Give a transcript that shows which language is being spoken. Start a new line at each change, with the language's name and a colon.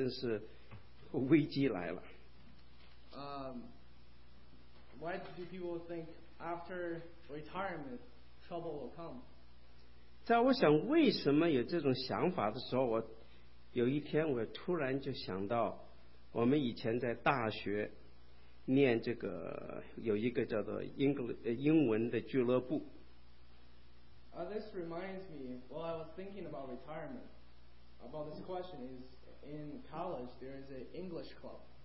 Chinese: 为什么人一听到退休，好像说，哎呀，这真是危机来了。
English: Why do people think after retirement trouble will come?
Chinese: 在我想为什么有这种想法的时候，我有一天我突然就想到，我们以前在大学念这个有一个叫做英文的俱乐部。
English: This reminds me, while I was thinking about retirement, about this question, is in college there is an English club.